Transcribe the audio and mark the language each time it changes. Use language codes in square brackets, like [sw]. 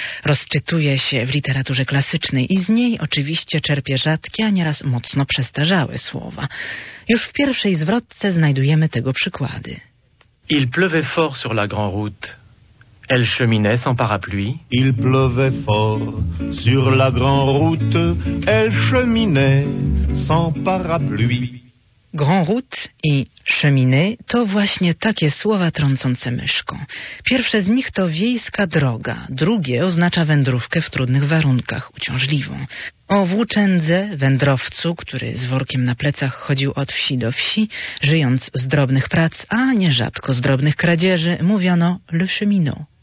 [pl] Rozczytuje się w literaturze klasycznej i z niej oczywiście czerpie rzadkie, a nieraz mocno przestarzałe słowa. Już w pierwszej zwrotce znajdujemy tego przykłady. [fr] Il pleuvait fort sur la grande route. Elle cheminait sans parapluie. Il pleuvait fort sur la grande route. Elle cheminait sans parapluie. [pl] Grand route i cheminée to właśnie takie słowa trącące myszką. Pierwsze z nich to wiejska droga, drugie oznacza wędrówkę w trudnych warunkach, uciążliwą. O włóczędze, wędrowcu, który z workiem na plecach chodził od wsi do wsi, żyjąc z drobnych prac, a nierzadko z drobnych kradzieży, mówiono le cheminot.